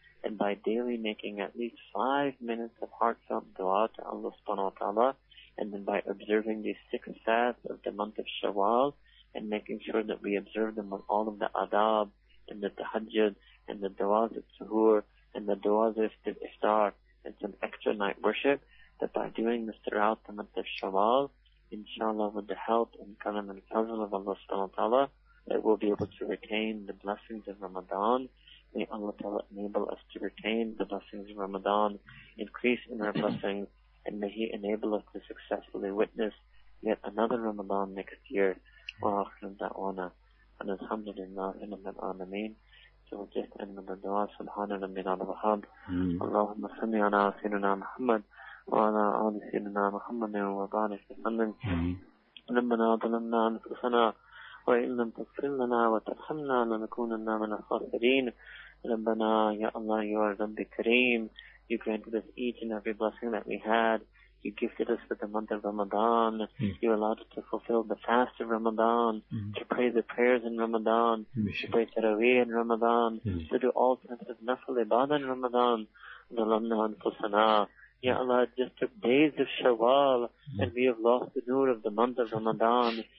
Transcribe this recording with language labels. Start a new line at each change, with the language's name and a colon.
English: and by daily making at least 5 minutes of heartfelt dua to Allah subhanahu wa ta'ala, and then by observing the 6 fasts of the month of Shawwal, and making sure that we observe them with all of the adab, and the tahajjud, and the du'as of suhoor, and the du'as of iftar, and some extra night worship, that by doing this throughout the month of Shawwal, inshallah, with the help and karam and fazl of Allah subhanahu wa ta'ala, that we'll be able to retain the blessings of Ramadan. May Allah ta'ala enable us to retain the blessings of Ramadan, increase in our blessings, and may He enable us to successfully witness yet another Ramadan next year.
Arabic: وآخر دعوانا أن الحمد لله رب العالمين توجهت أن الدعاء سبحان ربنا الوهاب اللهم صل على سيدنا محمد وعلى آل سيدنا محمد وبارك وسلم ربنا ظلمنا أنفسنا وإن لم تغفر لنا وترحمنا لنكونن من الخاسرين ربنا يا الله يا رب كريم
English: You granted us each and every blessing that we had. You gifted us with the month of Ramadan. Mm. You allowed us to fulfill the fast of Ramadan, to pray the prayers in Ramadan, to pray Taraweeh in Ramadan, to do all kinds of nafil ibadah in Ramadan.
Arabic: Zalamna anfusana.
English: Ya Allah, it just took days of Shawwal, and we have lost the noor of the month of Ramadan.